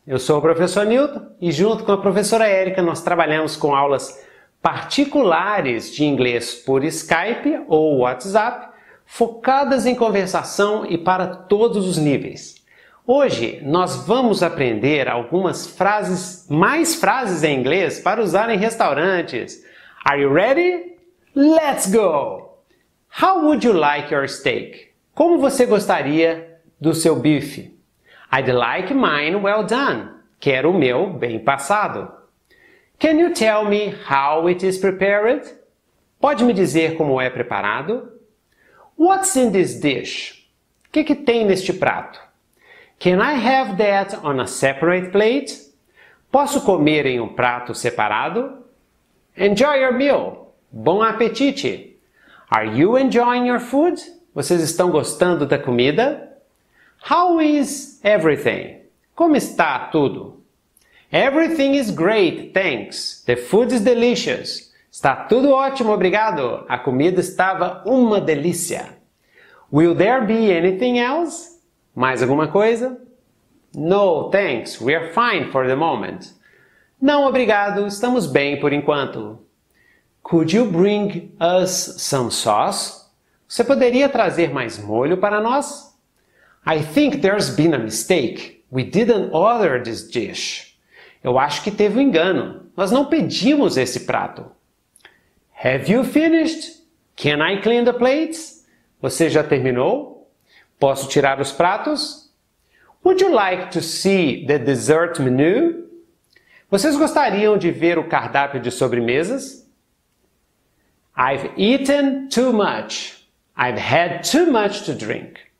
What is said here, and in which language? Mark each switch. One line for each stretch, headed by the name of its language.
Portuguese: Eu sou o professor Newton e junto com a professora Erika nós trabalhamos com aulas particulares de inglês por Skype ou WhatsApp, focadas em conversação e para todos os níveis. Hoje nós vamos aprender algumas frases, mais frases em inglês para usar em restaurantes.
English: Are you ready? Let's go! How would you like your steak?
Portuguese: Como você gostaria do seu bife?
English: I'd like mine well done.
Portuguese: Quero o meu bem passado.
English: Can you tell me how it is prepared?
Portuguese: Pode me dizer como é preparado?
English: What's in this dish?
Portuguese: O que tem neste prato?
English: Can I have that on a separate plate?
Portuguese: Posso comer em um prato separado?
English: Enjoy your meal.
Portuguese: Bom apetite.
English: Are you enjoying your food?
Portuguese: Vocês estão gostando da comida?
English: How is everything?
Portuguese: Como está tudo?
English: Everything is great, thanks. The food is delicious.
Portuguese: Está tudo ótimo, obrigado. A comida estava uma delícia.
English: Will there be anything else?
Portuguese: Mais alguma coisa?
English: No, thanks. We are fine for the moment.
Portuguese: Não, obrigado. Estamos bem por enquanto.
English: Could you bring us some sauce?
Portuguese: Você poderia trazer mais molho para nós?
English: I think there's been a mistake. We didn't order this dish.
Portuguese: Eu acho que teve um engano. Nós não pedimos esse prato.
English: Have you finished? Can I clean the plates?
Portuguese: Você já terminou? Posso tirar os pratos?
English: Would you like to see the dessert menu?
Portuguese: Vocês gostariam de ver o cardápio de sobremesas?
English: I've eaten too much. I've had too much to drink.